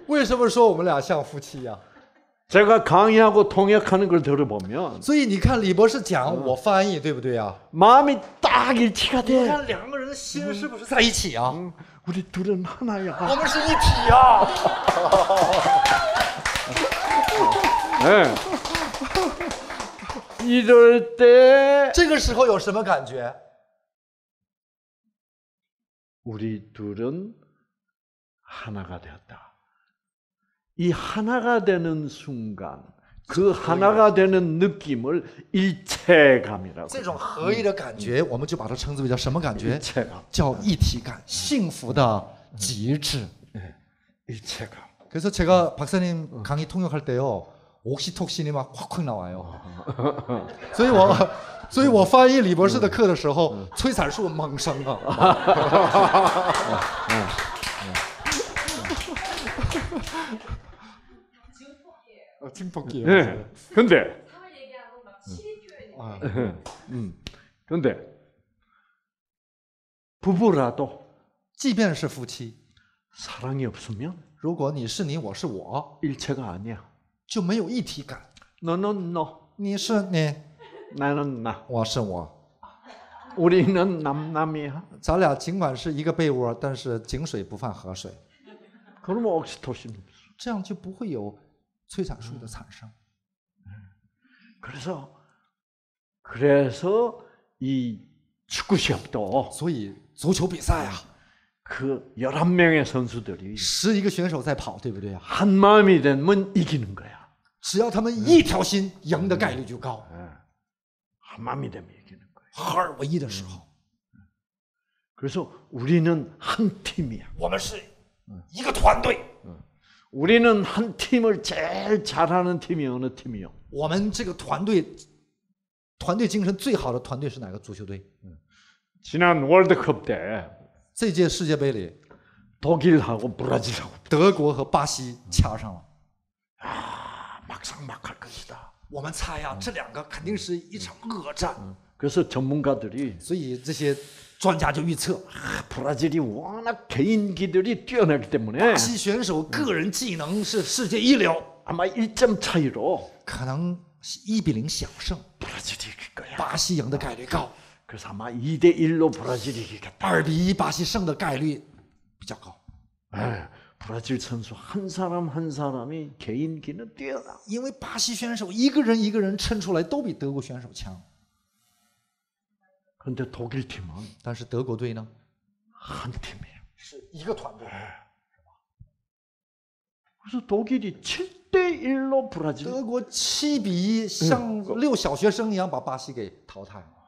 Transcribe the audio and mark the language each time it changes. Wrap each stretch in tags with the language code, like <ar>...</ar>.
<zh>为什么说我们俩像夫妻呀?</zh> <ko>제가 강의하고 통역하는 걸 들어보면</ko> <zh>所以你看李博士讲我翻译对不对啊?</zh> <ko>마음이 딱 일치가 돼.</ko> <zh>你看两个人的心是不是在一起啊?</zh> <ko>우리 둘은 하나야.</ko> <zh>我们是一体呀.</zh> <ko>이럴 때</ko> <zh>这个时候有什么感觉?</zh> <ko>우리 둘은 하나가 되었다. 이 하나가 되는 순간, 그 하나가 되는 느낌을 일체감이라고.</ko> <zh>这种合一的感觉，我们就把它称之为叫什么感觉？</zh> <ko>일체감.</ko> <zh>叫一体感，幸福的极致。</zh> <ko>일체감. 그래서 제가 박사님 강의 통역할 때요, 옥시토신이 막 콱콱 나와요.</ko> <zh>所以我翻译李博士的课的时候，催产素猛升啊。</zh> <ko>증폭기예요. 네. 근데 상을 얘기하고 막 치리 표현이. 근데 부부라도</ko> <zh>即便是 부부</zh> <ko>사랑이 없으면</ko> <zh>如果你是你我是我</zh> <ko>일체가 아니야.</ko> <zh>就没有一体感.</zh> <en>No no no.</en> <zh>你是你.</zh> <ko>나는 나.</ko> <zh>我是我.</zh> <ko>우리는 남남이야.</ko> <zh>咱俩尽管是一个被窝，但是井水不犯河水.</zh> <ko>그러면 옥시토신.</ko> <zh>这样就不会有 催产素的 产生.</zh> <ko>그래서 이 축구 시합도</ko> <zh>所以足球比赛啊,</zh> <ko>그 11명의 선수들이</ko> <zh>11个 선수在 跑, 对不对?</zh> <ko>한 마음이 되면 이기는 거야.</ko> <zh>只要他们一条心, 赢的 概率就高.</zh> <ko>한 마음이 되면 이기는 거야.</ko> <zh>合二为一的时候.</zh> <ko>그래서 우리는 한 팀이야.</ko> <zh>我们是一个团队.</zh> <ko>우리는 한 팀을 제일 잘하는 팀이 어느 팀이요?</ko> <zh>我们这个团队精神最好的团队是哪个足球队?</zh> <ko>지난 월드컵 때,</ko> <zh>这届世界杯里,</zh> <ko>독일하고 브라질하고,</ko> <zh>德国和巴西掐上了.</zh> <ko>아, 막상막할 것이다.</ko> <zh>我们猜呀，这两个肯定是一场恶战.</zh> <ko>그래서 전문가들이,</ko> <zh>所以这些 专家就预测,</zh> <ko>아, 브라질이 워낙 개인기들이 뛰어나기 때문에</ko> <zh>巴西选手个人技能是世界一流.</zh> <ko>아마 1점 차이로</ko> <zh>可能1比0小胜.</zh> <ko>브라질이 이길 거야.</ko> <zh>巴西赢的 概率高.</zh> <ko>그래서 아마 2대1로 브라질이 이기겠다.</ko> <zh>2比1巴西胜的 概率比较高.</zh> <ko>브라질 선수 한 사람 한 사람이 개인기는 뛰어나.</ko> <zh>因为巴西选手一个人一个人撑出来都比德国选手强.</zh> <ko>근데 독일 팀은 다시</ko> <zh>德国队呢?</zh> <ko>한 팀이에요.</ko> <zh>是一个团队.</zh> <ko>그래서 독일이 7대1로 브라질.</ko> <zh>德国 7比1像6小学生一样把巴西给淘汰.</zh>